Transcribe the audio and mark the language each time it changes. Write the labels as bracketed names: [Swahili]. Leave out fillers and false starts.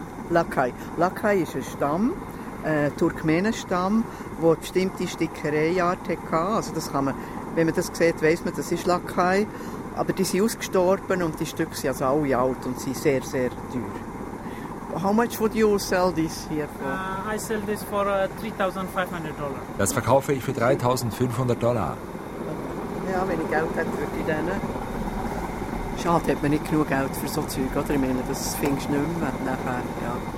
[German] Lakai. Lakai ist ein Stamm. Turkmenenstamm, der bestimmte Stickereiart hatte. Also das kann man, wenn man das sieht, weiss man, das ist Lakai. Aber die sind ausgestorben und die Stücke sind also alle alt und sind sehr, sehr teuer. [English] How much would you sell this here for? I sell this for $3,500. [German] Das verkaufe ich für $3,500. Ja, wenn ich Geld hätte, würde ich denen. Schade, hat man nicht genug Geld für so Zeug, oder? Ich meine, das findest du nicht mehr. Nachher, ja.